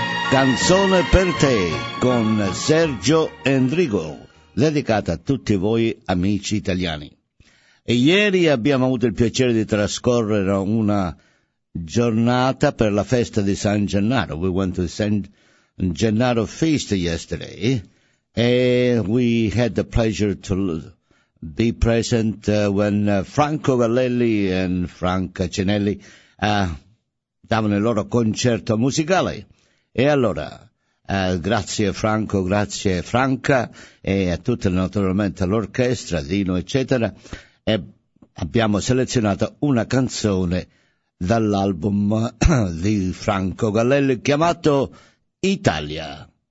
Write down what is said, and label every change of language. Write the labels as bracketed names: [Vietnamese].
[Italian] Canzone per te con Sergio Endrigo, dedicata a tutti voi amici italiani. E ieri abbiamo avuto il piacere di trascorrere una giornata per la festa di San Gennaro. [English] We went to San Gennaro feast yesterday and we had the pleasure to be present when Franco Vallelli and Franca Cinelli [Italian] davano il loro concerto musicale. E allora, grazie Franco, grazie Franca e a tutte naturalmente all'orchestra, Dino eccetera, e abbiamo selezionato una canzone dall'album di Franco Vallelli chiamato Italia.